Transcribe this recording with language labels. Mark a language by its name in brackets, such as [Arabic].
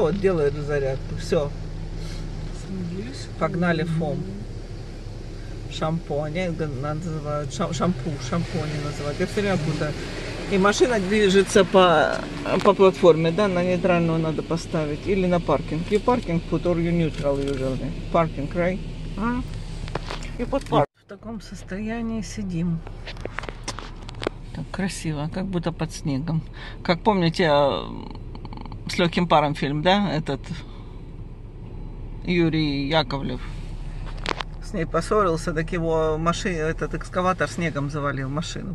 [Russian] Вот делаю эту зарядку. Все. Погнали фом. Шампунь, называют шампунь называют. Я все время путаю. И машина движется по платформе, да? На нейтральную надо поставить или на паркинг. [English] You parking put or you neutral usually. Parking, right? [Russian] И под парк. В таком состоянии сидим. Так красиво, как будто под снегом. Как помните, с легким паром фильм, да? Этот Юрий Яковлев. С ней поссорился, так его машина, этот экскаватор снегом завалил машину.